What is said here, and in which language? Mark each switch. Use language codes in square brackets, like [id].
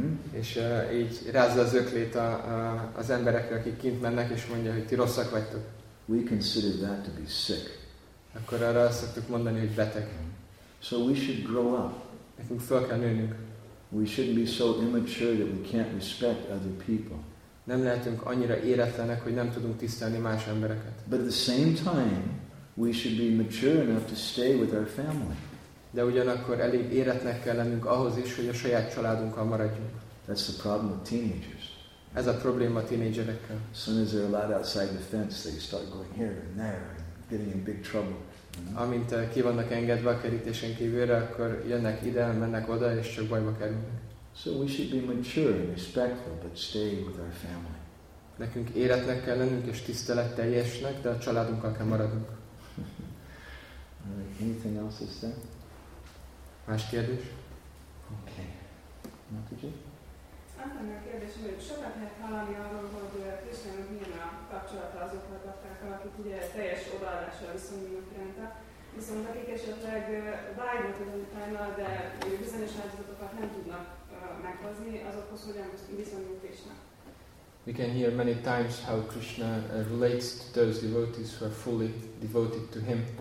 [hu] És így rázza az öklét az emberekre, akik kint mennek, és mondja, hogy ti rosszak vagytok. [en] We consider that to be sick. [hu] Akkor arra azt szoktuk mondani, hogy beteg. [en] So we should grow up. [hu] Nekünk fel kell nőnünk. [en] We shouldn't be so immature that we can't respect other people. [hu] Nem lehetünk annyira éretlenek, hogy nem tudunk tisztelni más embereket. [en] But at the same time, we should be mature enough to stay with our family. [hu] De ugyanakkor elég éretnek kell lennünk ahhoz is, hogy a saját családunkkal maradjunk. [en] That's the problem with teenagers. [hu] Ez a probléma a tínédzserekkel. [en] As soon as they're allowed outside the fence, they start going here and there and getting in big trouble. [hu] Amint ki vannak engedve a kerítésen kívülre, akkor jönnek ide, mennek oda, és csak bajba kerülnek. [en] So we should be mature and respectful, but stay with our family. [hu] Nekünk éretnek kell lennünk, és tiszteletteljesnek, de a családunkkal kell maradunk. [en] Anything else is there? [hu] Más kérdés? Oké. Okay. Aztán a kérdésem, hogy sokat lehet hallani arról, hogy Krisztának milyen a kapcsolata azokkal a baktákkal, akik ugye teljes odaadással viszonyulnak rendbe. Viszont akik esetleg vágynak az utána, de bizonyos áldozatokat nem tudnak meghozni, azokhoz hogyan viszonyulnak Krisztának? [en] We can hear many times how Krishna relates to those devotees who are fully devoted to him.